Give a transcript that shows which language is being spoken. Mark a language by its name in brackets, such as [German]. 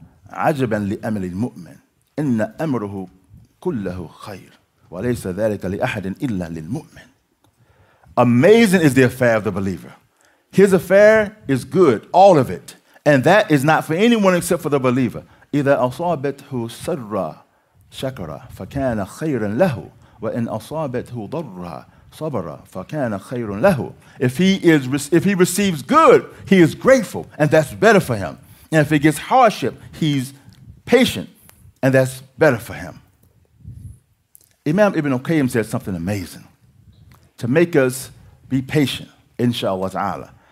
[Arabic] عَجَبًا لِأَمْلِ الْمُؤْمِنِ إِنَّ أَمْرُهُ كُلَّهُ خَيْرٌ وَلَيْسَ ذَلِكَ لِأَحَدٍ إِلَّا لِلْمُؤْمِنِ. [English] Amazing is the affair of the believer. His affair is good, all of it. And that is not for anyone except for the believer. [Arabic] إذا أصابته سرّا شكرا فكان خيرا له وإن أصابته ضرّا صبرا فكان خيرا له. [English] If he receives good, he is grateful, and that's better for him. And if he gets hardship, he's patient, and that's better for him. Imam Ibn Qayyim said something amazing to make us be patient, inshallah ta'ala.